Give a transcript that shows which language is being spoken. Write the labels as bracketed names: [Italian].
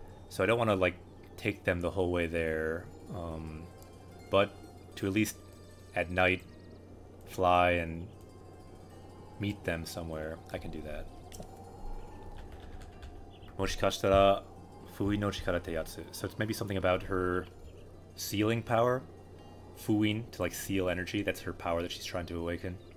[English] So I don't want to like take them the whole way there, but to at least at night fly and meet them somewhere, I can do that. [Japanese] もしかしたら封印の力ってやつ。 [English] So it's maybe something about her sealing power, 封印 to like seal energy. That's her power that she's trying to awaken.